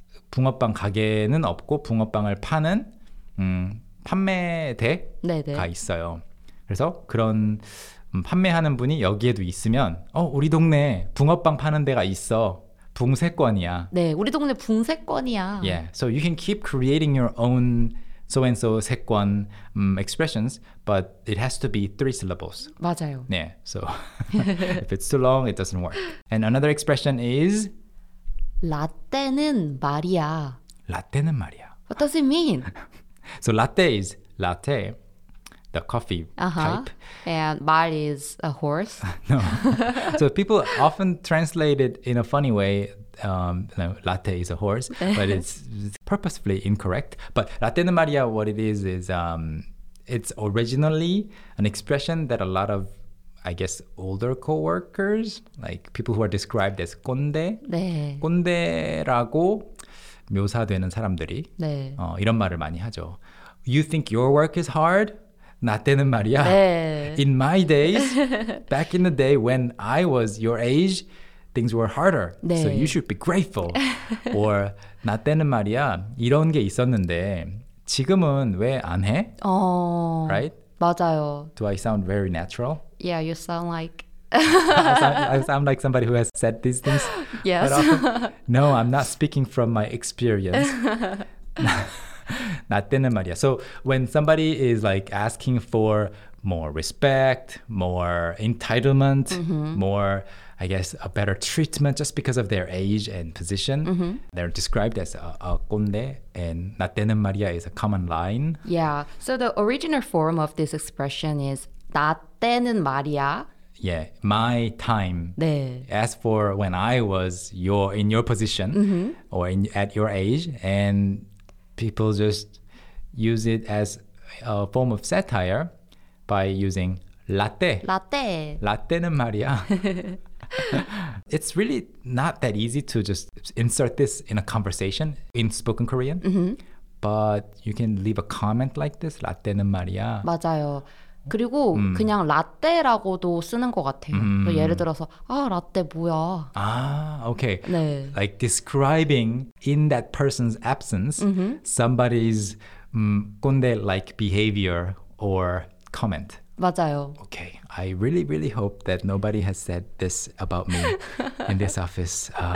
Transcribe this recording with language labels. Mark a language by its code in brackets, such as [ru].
[ko] 붕어빵 가게는 없고 붕어빵을 파는 판매대가 네. 있어요. 그래서 그런 판매하는 분이 여기에도 있으면 우리 동네 붕어빵 파는 데가 있어. 붕세권이야. 네, 우리 동네 붕세권이야. [en] Yeah, so you can keep creating your own so-and-so 세권 expressions, but it has to be three syllables. [ko] 맞아요. [en] Yeah, so if it's too long, it doesn't work. And another expression is [ko] 라떼는 말이야. latte는 말이야. [en] What does it mean? So latte is latte, the coffee type. And mal is a horse. No. So people often translate it in a funny way. No, latte is a horse, but it's purposefully incorrect. But latte no Maria, what it is it's originally an expression that a lot of, I guess, older coworkers, like people who are described as [ko] 꼰대라고 묘사되는 사람들이 이런 말을 많이 하죠. [en] You think your work is hard? [ko] 라떼는 말이야. [en] In my days, back in the day when I was your age, things were harder. 네. So you should be grateful. [ko] Or 나 때는 말이야 이런 게 있었는데 지금은 왜 안 해? [en] Oh, right? [ko] 맞아요. [en] Do I sound very natural? Yeah, you sound like... I sound like somebody who has said these things. Yes. But often, no, I'm not speaking from my experience. [ko] 나 때는 말이야. [en] So when somebody is like asking for more respect, more entitlement, mm-hmm. more, I guess, a better treatment just because of their age and position, mm-hmm. they're described as a 꼰대, and [ko] 나 때는 말이야 [en] is a common line. Yeah. So the original form of this expression is [ko] 나 때는 말이야. [en] Yeah, my time. [ko] 네. [en] As for when I was in your position mm-hmm. or at your age, and people just use it as a form of satire by using latte. Latte. [ko] Latte는 말이야. [en] It's really not that easy to just insert this in a conversation in spoken Korean, mm-hmm. but you can leave a comment like this, [ko] 라떼는 말이야. 맞아요. 그리고 그냥 라떼라고도 쓰는 것 같아요. 예를 들어서 아 라떼 뭐야? 아, okay. 네. [en] Like describing in that person's absence, mm-hmm. somebody's 꼰대-like behavior or comment. [ko] 맞아요. [en] Okay. I really, really hope that nobody has said this about me in this office.